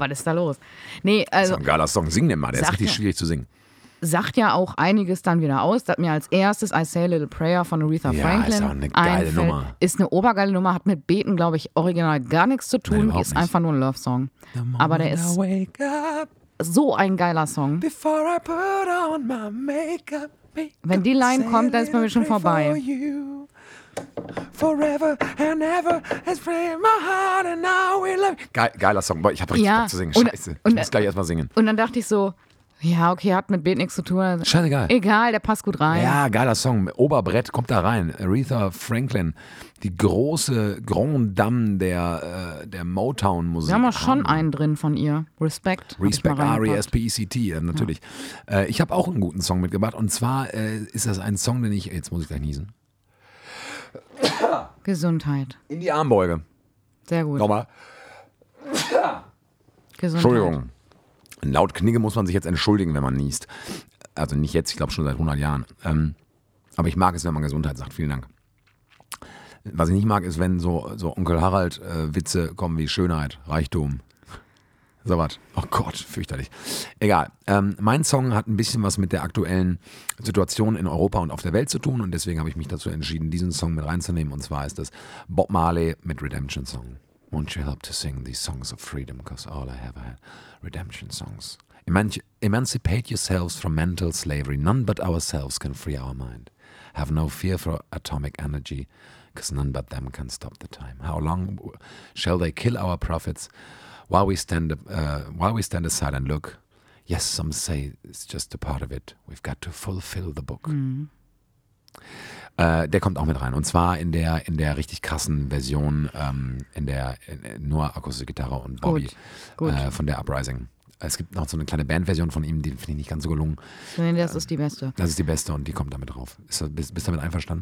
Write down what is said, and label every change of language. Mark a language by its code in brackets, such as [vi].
[de] Was ist da los? Nee, also, das ist ein geiler Song. Sing den mal. Der ist richtig schwierig zu singen. Sagt ja auch einiges dann wieder aus. Das hat mir als erstes I Say a Little Prayer von Aretha Franklin. Ist auch eine geile Nummer. Ist eine obergeile Nummer. Hat mit Beten, glaube ich, original gar nichts zu tun. Nein, ist nicht. Einfach nur ein Love Song. Aber der ist. So ein geiler Song. [en] Before I put on my makeup, [de] wenn die Line kommt, dann ist bei mir schon vorbei. [en] Forever and ever has framed my heart and now we love. [de] Geiler Song. Boah, ich hab richtig Bock zu singen. Scheiße. Ich muss gleich erstmal singen. Und dann dachte ich so, ja, okay, hat mit Beat nichts zu tun. Scheißegal. Egal, der passt gut rein. Ja, geiler Song. Oberbrett kommt da rein. Aretha Franklin, die große Grande Dame der Motown-Musik. Wir haben auch schon einen drin von ihr. [en] Respect. Respect, R-E-S-P-E-C-T, natürlich. Ja. [de] Ich habe auch einen guten Song mitgebracht. Und zwar ist das ein Song, den ich. Jetzt muss ich gleich niesen. Gesundheit. In die Armbeuge. Sehr gut. Nochmal. Gesundheit. Entschuldigung. Laut Knigge muss man sich jetzt entschuldigen, wenn man niest. Also nicht jetzt, ich glaube schon seit 100 Jahren. Aber ich mag es, wenn man Gesundheit sagt. Vielen Dank. Was ich nicht mag, ist, wenn so Onkel Harald Witze kommen wie Schönheit, Reichtum. So was. Oh Gott, fürchterlich. Egal. Mein Song hat ein bisschen was mit der aktuellen Situation in Europa und auf der Welt zu tun und deswegen habe ich mich dazu entschieden, diesen Song mit reinzunehmen und zwar ist das Bob Marley mit Redemption Song. [en] Won't you help to sing these songs of freedom, because all I have are redemption songs. Emancipate yourselves from mental slavery. None but ourselves can free our mind. Have no fear for atomic energy, because none but them can stop the time. How long shall they kill our prophets while we stand aside and look? Yes, some say it's just a part of it. We've got to fulfill the book. [de] Der kommt auch mit rein. Und zwar in der richtig krassen Version, nur Akustikgitarre und Bobby. Gut. Von der Uprising. Es gibt noch so eine kleine Bandversion von ihm, die finde ich nicht ganz so gelungen. Nein, das ist die beste. Das ist die beste und die kommt damit drauf. Bist du damit einverstanden?